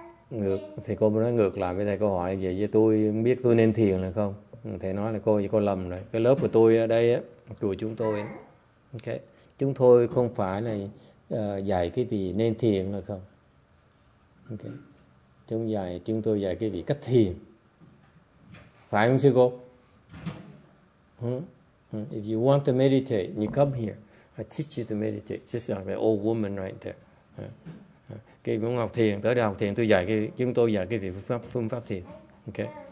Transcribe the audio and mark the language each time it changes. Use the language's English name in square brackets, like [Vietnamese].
[Vietnamese] Ngược thì cô nói ngược lại với thầy, cô hỏi vậy với tôi biết tôi nên thiền là không, thầy nói là cô lầm rồi, cái lớp của tôi ở đây á, của chúng tôi á, okay, chúng tôi không phải là dạy cái gì nên thiền là không, okay, chúng tôi dạy cái gì cách thiền, phải không sư cô? [English] If you want to meditate, you come here. I teach you to meditate. Just like the old woman right there. [Vietnamese] Khi muốn học thiền, tới đây học thiền, chúng tôi dạy cái gì phương pháp thiền. Okay.